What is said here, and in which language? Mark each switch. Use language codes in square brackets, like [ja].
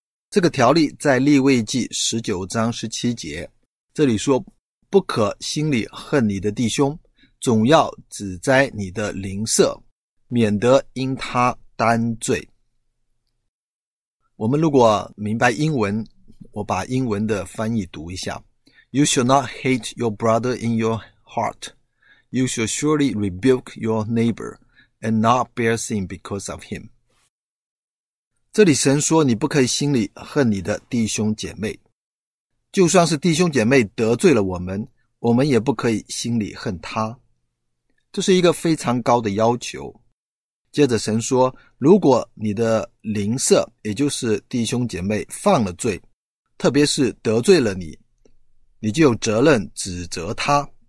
[zh] 这个条例在利未记19章17节，这里说，不可心里恨你的弟兄，总要指摘你的邻舍，免得因他担罪。我们如果明白英文，我把英文的翻译读一下。 [en] You shall not hate your brother in your heart. You shall surely rebuke your neighbor and not bear sin because of him. [zh] 这里神说你不可以心里恨你的弟兄姐妹。就算是弟兄姐妹得罪了我们，我们也不可以心里恨他。这是一个非常高的要求。接着神说，如果你的邻舍，也就是弟兄姐妹犯了罪，特别是得罪了你，你就有责任指责他。